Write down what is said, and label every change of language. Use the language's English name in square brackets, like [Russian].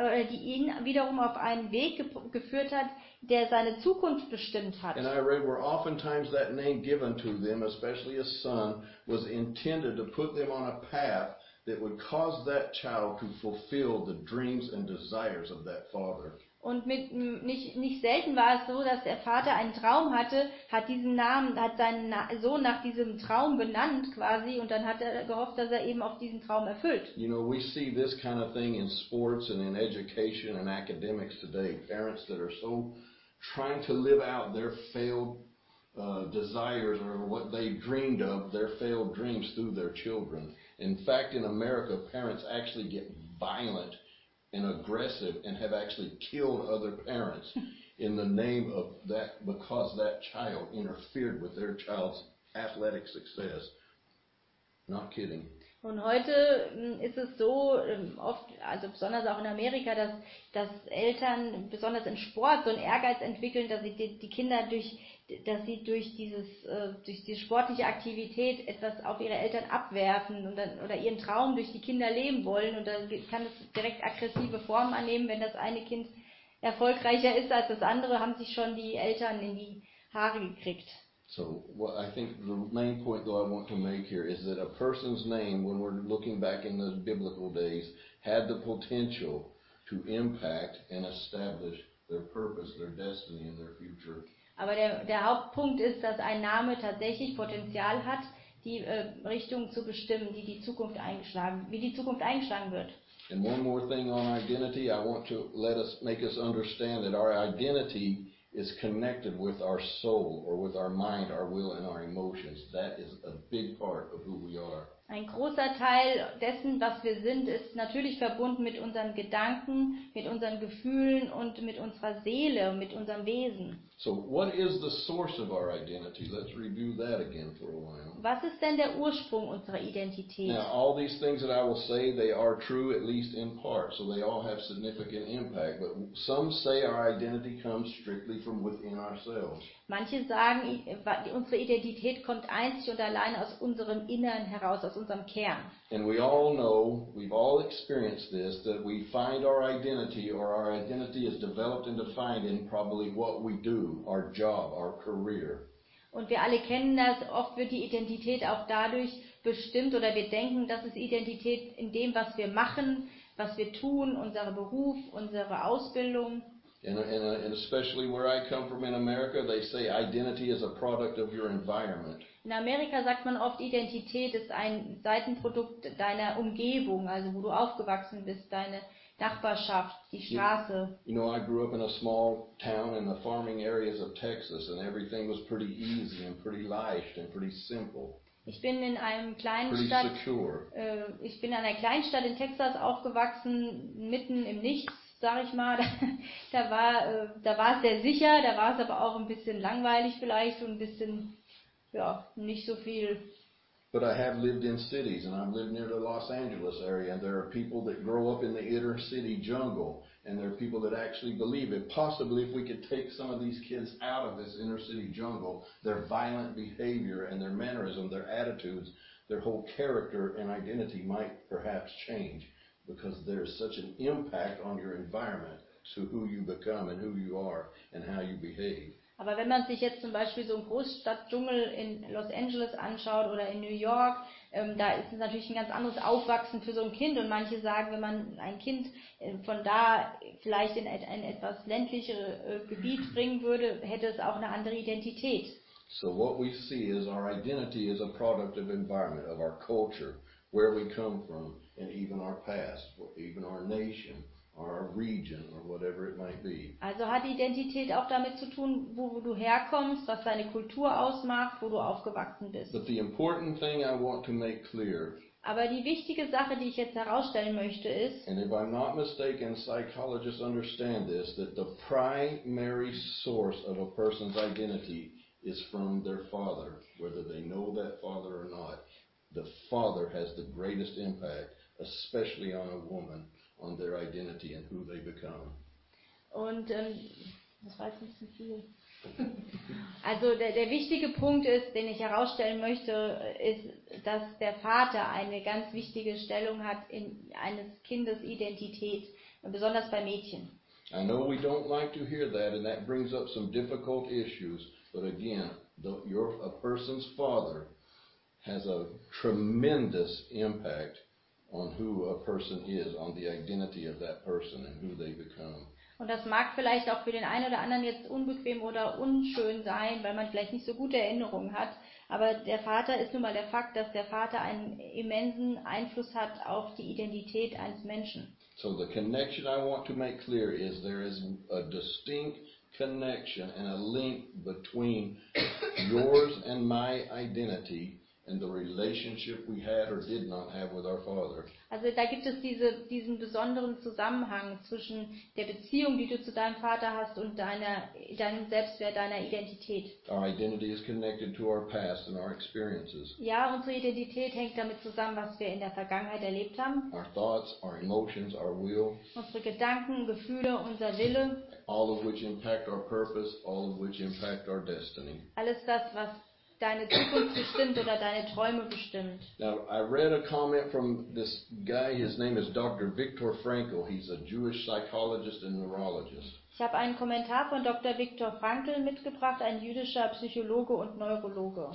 [German] Die ihn wiederum auf einen Weg geführt hat, der seine Zukunft bestimmt hat. [English] And I read where oftentimes that name given to them, especially a son, was intended to put them on a path that would cause that child to fulfill the dreams and desires of that father. [German] Und nicht selten war es so, dass der Vater einen Traum hatte, hat seinen Sohn nach diesem Traum benannt quasi, und dann hat er gehofft, dass er eben auch diesen Traum erfüllt. [English] You know, we see this kind of thing in sports and in education and academics today. Parents that are so trying to live out their failed desires or what they dreamed of, their failed dreams through their children. In fact, in America, parents actually get violent and aggressive and have actually killed other parents in the name of that, because that child interfered with their child's athletic success. Not kidding. [German] Und heute ist es so, oft, also besonders auch in Amerika, dass Eltern besonders im Sport so einen Ehrgeiz entwickeln, dass sie die Kinder durch diese sportliche Aktivität etwas auf ihre Eltern abwerfen und dann, oder ihren Traum durch die Kinder leben wollen. Und dann kann es direkt aggressive Formen annehmen, wenn das eine Kind erfolgreicher ist als das andere, haben sich schon die Eltern in die Haare gekriegt. [English] So, what I think the main point though I want to make here is that a person's name, when we're looking back in those biblical days, had the potential to impact and establish their purpose, their destiny, and their future. [German] Aber der Hauptpunkt ist, dass ein Name tatsächlich Potenzial hat, die Richtung zu bestimmen, wie die Zukunft eingeschlagen wird. [English] And one more thing on identity, I want to make us understand that our identity is connected with our soul or with our mind, our will and our emotions. That is a big part of who we are. [German] Ein großer Teil dessen, was wir sind, ist natürlich verbunden mit unseren Gedanken, mit unseren Gefühlen und mit unserer Seele, mit unserem Wesen. [English] So what is the source of our identity? Let's review that again for a while. [German] Was ist denn der Ursprung unserer Identität? [English] Now all these things that I will say, they are true at least in part, so they all have significant impact. But some say our identity comes strictly from within ourselves. [German] Manche sagen, unsere Identität kommt einzig und allein aus unserem Inneren heraus, aus unserem Kern. [English] And we all know, we've all experienced this, that we find our identity, or our identity is developed and defined in probably what we do, our job, our career. [German] Und wir alle kennen das, oft wird die Identität auch dadurch bestimmt, oder wir denken, das ist Identität in dem, was wir machen, was wir tun, unser Beruf, unsere Ausbildung. [English] And especially where I come from in America, they say identity is a product of your environment. [German] In Amerika sagt man oft, Identität ist ein Seitenprodukt deiner Umgebung, also wo du aufgewachsen bist, deine Nachbarschaft, die Straße. [English] You know, I grew up in a small town in the farming areas of Texas, and everything was pretty easy and pretty light and pretty simple. [German] Ich bin in einem kleinen Stadt. Ich bin in einer kleinen Stadt in Texas aufgewachsen, mitten im Nichts. Sag ich mal, da war es sehr sicher, da war es aber auch ein bisschen langweilig vielleicht und ein bisschen, ja, nicht so viel. [English] But I have lived in cities and I've lived near the Los Angeles area, and there are people that grow up in the inner city jungle, and there are people that actually believe it. Possibly if we could take some of these kids out of this inner city jungle, their violent behavior and their mannerism, their attitudes, their whole character and identity might perhaps change. Because there is such an impact on your environment to who you become and who you are and how you behave. [German] Aber wenn man sich jetzt zum Beispiel so einen Großstadtdschungel in Los Angeles anschaut oder in New York, da ist es natürlich ein ganz anderes Aufwachsen für so ein Kind. Und manche sagen, wenn man ein Kind von da vielleicht in ein etwas ländlichere Gebiet bringen würde, hätte es auch eine andere Identität. [English] So what we see is our identity is a product of environment, of our culture, where we come from. And even our past, even our nation, our region, or whatever it might be. [German] Also hat Identität auch damit zu tun, wo du herkommst, was deine Kultur ausmacht, wo du aufgewachsen bist. [English] But the important thing I want to make clear. [German] Aber die wichtige Sache, die ich jetzt herausstellen möchte, ist. [English] And if I'm not mistaken, psychologists understand this, that the primary source of a person's identity is from their father, whether they know that father or not. The father has the greatest impact, especially on a woman, on their identity and who they become. [German] Und das war jetzt nicht so viel. Also der wichtige Punkt ist, den ich herausstellen möchte, ist, dass der Vater eine ganz wichtige Stellung hat in eines Kindes Identität, besonders bei Mädchen. [English] I know we don't like to hear that, and that brings up some difficult issues. But again, a person's father has a tremendous impact on who a person is, on the identity of that person and who they become. [German] Und das mag vielleicht auch für den einen oder anderen jetzt unbequem oder unschön sein, weil man vielleicht nicht so gute Erinnerungen hat, aber der Vater ist nun mal der Fakt, dass der Vater einen immensen Einfluss hat auf die Identität eines Menschen. [English] So the connection I want to make clear is there is a distinct connection and a link between yours and my identity and the relationship we had or did not have with our father. [German] Also da gibt es diesen besonderen Zusammenhang zwischen der Beziehung, die du zu deinem Vater hast, und deinem Selbstwert, deiner Identität. [English] Our identity is connected to our past and our experiences. [German] Ja, unsere Identität hängt damit zusammen, was wir in der Vergangenheit erlebt haben. [English] Our thoughts, our emotions, our will. [German] Unsere Gedanken, Gefühle, unser Wille. [English] All of which impact our purpose, all of which impact our destiny. [German] Alles das, was deine Zukunft bestimmt oder deine Träume bestimmt. [English] Now, I read a comment from this guy, his name is Dr. Viktor Frankl. He's a Jewish psychologist and neurologist. [German] Ich habe einen Kommentar von Dr. Viktor Frankl mitgebracht, ein jüdischer Psychologe und Neurologe.